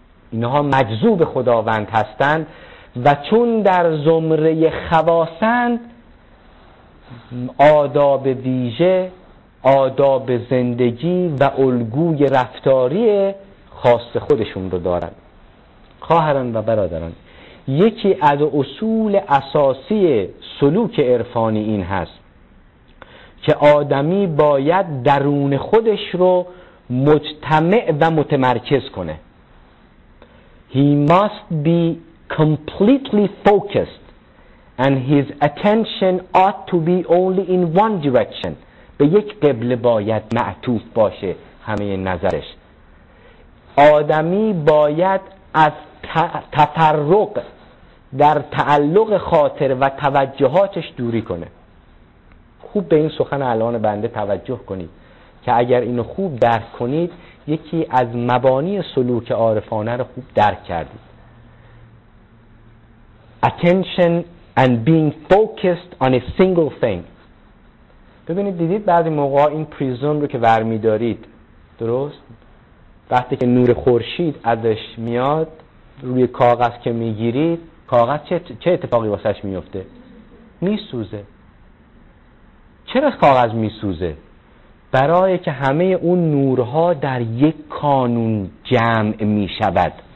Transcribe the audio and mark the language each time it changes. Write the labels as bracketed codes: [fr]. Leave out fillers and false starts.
[fa] اینها مجذوب خداوند هستند و چون در زمره خواصند، آداب ویژه، آداب زندگی و الگوی رفتاری خاص خودشون رو دارن. خواهران و برادران، یکی از اصول اساسی سلوک عرفانی این هست که آدمی باید درون خودش رو مجتمع و متمرکز کنه. [en] He must be completely focused and his attention ought to be only in one direction. [fa] به یک قبله باید معطوف باشه همه نظرش. آدمی باید از تفرق در تعلق خاطر و توجهاتش دوری کنه. خوب به این سخن الان بنده توجه کنید که اگر اینو خوب درک کنید، یکی از مبانی سلوک عارفانه رو خوب درک کردید. [en] Attention and being focused on a single thing. [fa] ببینید دیدید بعضی موقع این پریزم رو که ور می‌دارید درست؟ وقتی که نور خورشید ازش میاد روی کاغذ که می‌گیرید کاغذ چه اتفاقی واسش می‌افته؟ می‌سوزه. چرا کاغذ می‌سوزه؟ برای که همه اون نورها در یک کانون جمع می‌شود.